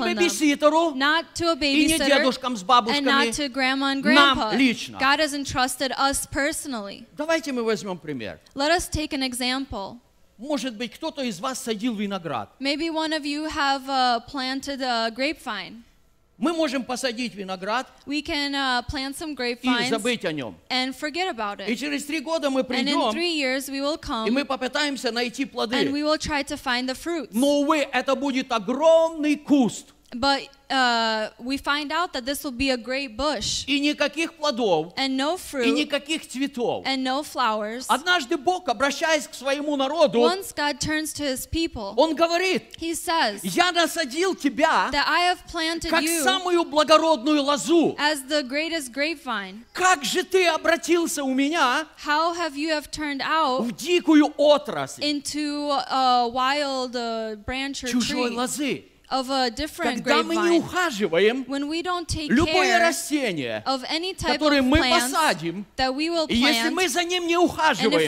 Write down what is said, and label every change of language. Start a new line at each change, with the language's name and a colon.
English: them.
Russian: Не бебиситеру,
English: not to a babysitter,
Russian: и не дедушкам с бабушками,
English: and not to grandma and grandpa.
Russian: Нам лично.
English: God has entrusted us personally.
Russian: Давайте мы возьмем пример.
English: Let us take an example.
Russian: Может быть, кто-то из вас садил виноград.
English: Maybe one of you have planted a grapevine.
Russian: Мы можем посадить виноград
English: we can, plant some grapevines
Russian: и забыть о нем.
English: And forget about it.
Russian: И через три года мы придем
English: and in 3 years we will come,
Russian: и мы попытаемся найти плоды.
English: And we will try to find the fruits.
Russian: Но, увы, это будет огромный куст.
English: But we find out that this will be a great bush.
Russian: И никаких плодов.
English: And no fruit.
Russian: И никаких цветов.
English: And no flowers.
Russian: Однажды Бог, обращаясь к своему народу,
English: once God turns to his people,
Russian: он говорит,
English: he says,
Russian: я насадил тебя
English: that I have planted
Russian: как
English: you
Russian: самую благородную лозу.
English: As the greatest grapevine.
Russian: Как же ты обратился у меня
English: how have you have turned out
Russian: в дикую отрасль
English: into a wild branch or
Russian: чужой
English: tree.
Russian: Лозы.
English: Of a different
Russian: Когда
English: grapevine.
Russian: Мы не ухаживаем,
English: when we don't take
Russian: любое
English: care
Russian: растение,
English: of any type of plant
Russian: посадим,
English: that we will plant, and if